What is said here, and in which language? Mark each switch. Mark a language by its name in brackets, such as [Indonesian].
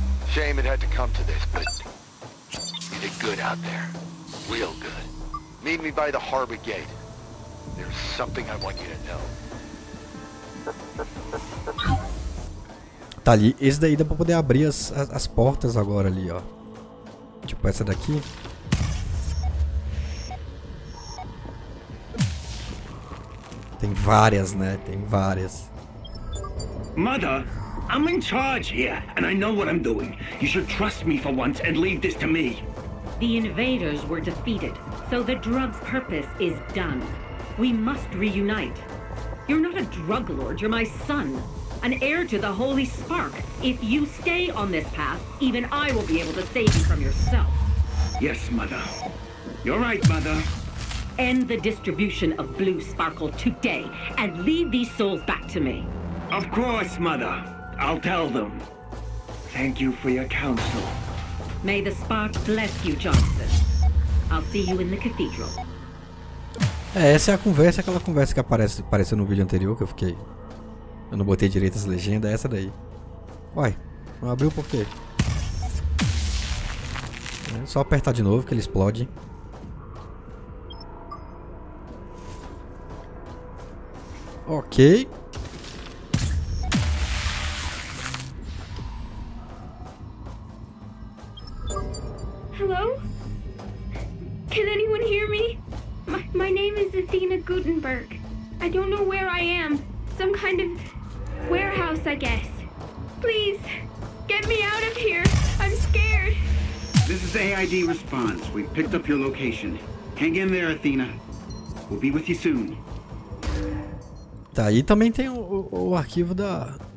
[English] Shame it had to come to this, but you did good out there. Real good. Meet me by the harbor gate. There's something I want you to know. [Portuguese] Tá ali. Esse daí dá pra poder abrir as portas agora ali, ó. Tipo essa daqui. Tem várias, né? Tem várias. [English] Mother, I'm in charge here, and I know what I'm doing. You should trust me for once and leave this to me. The invaders were defeated. So the drug's purpose is done. We must reunite. You're not a drug lord, you're my son. An heir to the Holy Spark. If you stay on this path, even I will be able to save you from yourself. Yes, mother. You're right, mother. End the distribution of blue sparkle today and lead these souls back to me. Of course, mother. I'll tell them. Thank you for your counsel. May the spark bless you, Johnson. I'll see you in the cathedral. [Portuguese] É, essa é a conversa, aquela conversa que apareceu no vídeo anterior que eu fiquei. Eu não botei direito as legendas, é essa daí. Uai, não abriu por quê? É só apertar de novo que ele explode. Ok. [English] Hello? Can anyone hear me? My name is Athena Gutenberg. I don't know where I am. Some kind of warehouse, I guess. Please, get me out of here. I'm scared. This is AID response. We've picked up your location. Hang in there, Athena. We'll be with you soon. [Portuguese] Tá, aí também tem o arquivo da...